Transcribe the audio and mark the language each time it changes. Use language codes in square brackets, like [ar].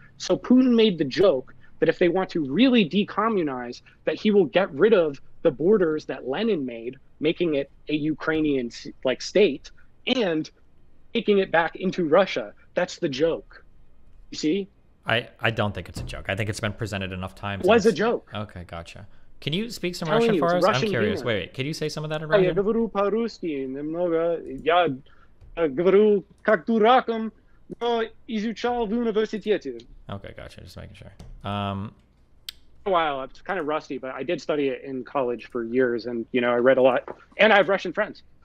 [en] So Putin made the joke that if they want to really decommunize, that he will get rid of the borders that Lenin made, making it a Ukrainian like state and taking it back into Russia. That's the joke. You see? I don't think it's a joke. I think it's been presented enough times. Was a joke. Okay, gotcha. Can you speak some Russian for us? Russian, I'm curious. Humor. Wait, can you say some of that in Russian? [ru] Я говорю по-русски немного. Я говорю как дураком, но изучал в университете. [en] Okay, gotcha. Just making sure. A while, it's kind of rusty, but I did study it in college for years, and you know, I read a lot, and I have Russian friends.